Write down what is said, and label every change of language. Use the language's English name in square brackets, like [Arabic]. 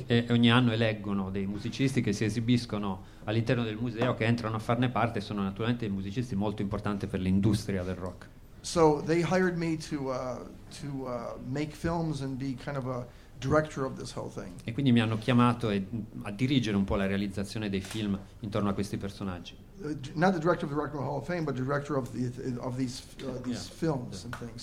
[Italian] E ogni anno eleggono dei musicisti che si esibiscono all'interno del museo, che entrano a farne parte, sono naturalmente musicisti molto importanti per l'industria del rock. [English] So they hired me to make films and be kind of a director of this whole thing. [Italian] E quindi mi hanno chiamato a dirigere un po' la realizzazione dei film intorno a questi personaggi. [English] Not the director of the Rock and Roll Hall of Fame, but the director of these films, yeah. And things.